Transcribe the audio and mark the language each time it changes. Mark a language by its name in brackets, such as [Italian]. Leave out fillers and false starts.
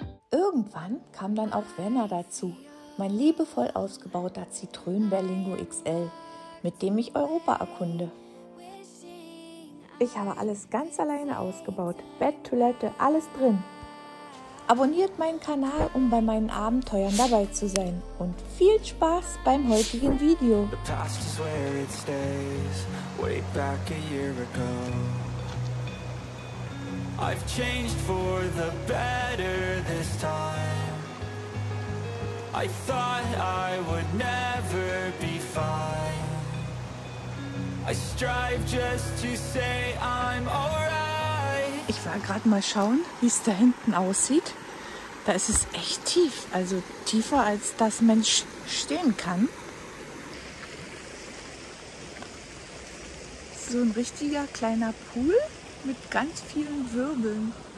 [German] Irgendwann kam dann auch Werner dazu, mein liebevoll ausgebauter Zitronen-Berlingo XL, mit dem ich Europa erkunde. Ich habe alles ganz alleine ausgebaut, Bett, Toilette, alles drin. Abonniert meinen Kanal, um bei meinen Abenteuern dabei zu sein. Und viel Spaß beim heutigen Video. [English] The past is where it stays, way back a year ago. I've changed for the better this time. I thought I would never be fine. I strive just to say I'm alright. [German] Ich war gerade mal schauen, wie es da hinten aussieht. Da ist es echt tief, also tiefer als das Mensch stehen kann. So ein richtiger kleiner Pool mit ganz vielen Wirbeln.